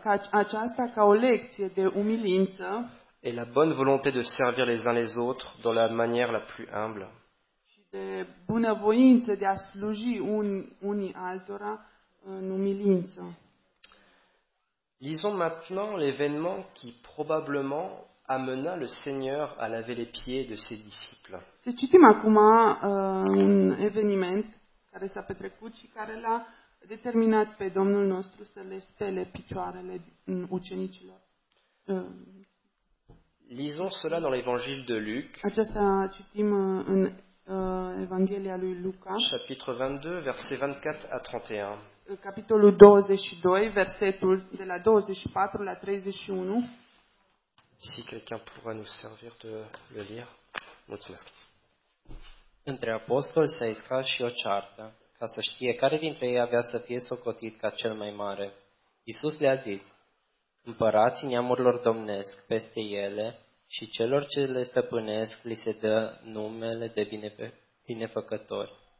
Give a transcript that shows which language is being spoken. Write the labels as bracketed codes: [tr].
[ro] Aceasta ca o lecție de umilință. [fr] Et la bonne volonté de servir les uns les autres dans la manière la plus humble. [ro] Și de bunăvoință de a sluji unii altora în umilință. [fr] Lisons maintenant l'événement qui probablement amena le Seigneur à laver les pieds de ses disciples. [ro] Să citim acum un eveniment care s-a petrecut și care l-a determinat pe Domnul nostru să le spele picioarele ucenicilor. [fr] Lisons cela dans l'évangile de Luc. [ro] Aceasta citim în Evanghelia lui Luca. [fr] Chapitre 22, versets 24 à 31. [ro] Capitolul 22, versetul de la 24 la 31. [fr] Si quelqu'un pourra nous servir de le lire. [ro] Mulțumesc. Între apostoli s-a iscat și o ceartă, ca să știe care dintre ei avea să fie socotit ca cel mai mare. Iisus le-a zis: împărații neamurilor domnesc peste ele și celor ce le stăpânesc li se dă numele de binefăcători.